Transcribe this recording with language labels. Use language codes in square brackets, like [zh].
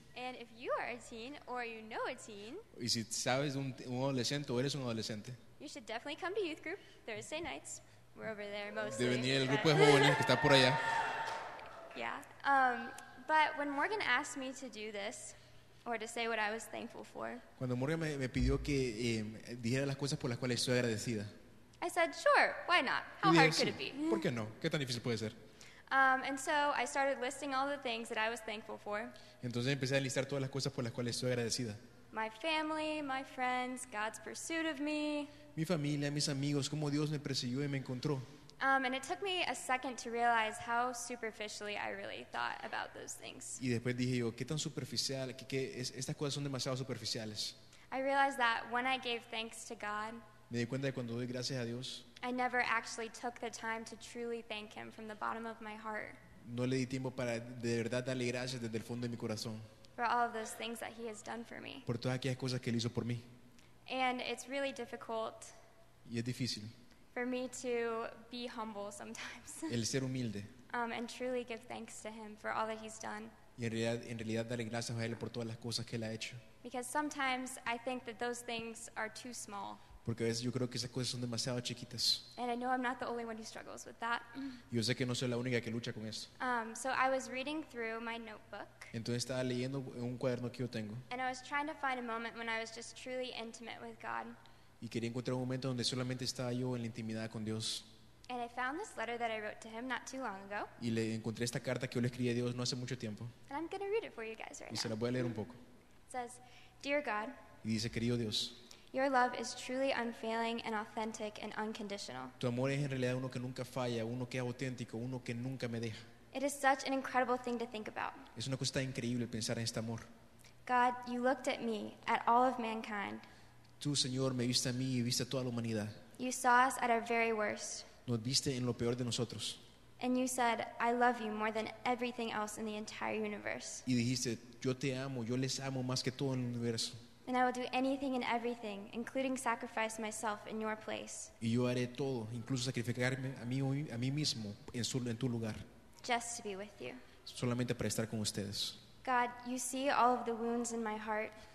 [en] And if you are a teen or you know a teen, [es] y si sabes un adolescente o eres un adolescente, [en] you should definitely come to youth group Thursday nights. We're over there mostly. [es] De venir el grupo de jóvenes que está por allá. [en] Yeah. But when Morgan asked me to do this, or to say what I was thankful for, [es] cuando Morgan me pidió que dijera las cosas por las cuales soy agradecida, [en] I said, sure, why not? How hard could it be? [es] ¿Por qué no? ¿Qué tan difícil puede ser? [en] And so I started listing all the things that I was thankful for. [es] Entonces empecé a listar todas las cosas por las cuales estoy agradecida. [en] My family, my friends, God's pursuit of me. [es] Mi familia, mis amigos, cómo Dios me persiguió y me encontró. [en] And it took me a second to realize how superficially I really thought about those things. [es] Y después dije yo, ¿qué tan superficial? ¿Qué estas cosas son demasiado superficiales? [en] I realized that when I gave thanks to God, [es] Me di cuenta de cuando doy gracias a Dios. [en] I never actually took the time to truly thank him from the bottom of my heart. [es] No le di tiempo para de verdad darle gracias desde el fondo de mi corazón. [en] For all of those things that he has done for me. [es] Por todas aquellas cosas que él hizo por mí. [en] And it's really difficult. [es] Y es difícil. [en] For me to be humble sometimes. [es] El ser humilde. [en] And truly give thanks to him for all that he's done. [es] Y en realidad darle gracias a él por todas las cosas que él ha hecho. [en] Because sometimes I think that those things are too small. [es] Porque a veces yo creo que esas cosas son demasiado chiquitas. [en] And I know I'm not the only one who struggles with that. [es] Yo sé que no soy la única que lucha con eso. [en] So I was reading through my notebook. [es] Entonces estaba leyendo un cuaderno que yo tengo. [en] And I was trying to find a moment when I was just truly intimate with God. [es] Y quería encontrar un momento donde solamente estaba yo en la intimidad con Dios. [en] And I found this letter that I wrote to him not too long ago. [es] Y le encontré esta carta que yo le escribí a Dios no hace mucho tiempo. [en] And I'm going to read it for you guys right [es] y Y se la voy a leer un poco. [en] It says, Dear God. [es] Y dice, querido Dios. [en] Your love is truly unfailing and authentic and unconditional. [es] Tu amor es en realidad uno que nunca falla, uno que es auténtico, uno que nunca me deja. [en] It is such an incredible thing to think about. [es] Es una cosa increíble pensar en este amor. [en] God, you looked at me, at all of mankind. [es] Tú, Señor, me viste a mí y viste a toda la humanidad. [en] You saw us at our very worst. [es] Nos viste en lo peor de nosotros. [en] And you said, I love you more than everything else in the entire universe. [es] Y dijiste, yo te amo, yo les amo más que todo el universo. [en] And I will do anything and everything, including sacrifice myself in your place. [es] Y yo haré todo, incluso sacrificarme a mí mismo en tu lugar. [en] Just to be with you. [es] Solamente para estar con ustedes. [en] God, you see all of the wounds in my heart.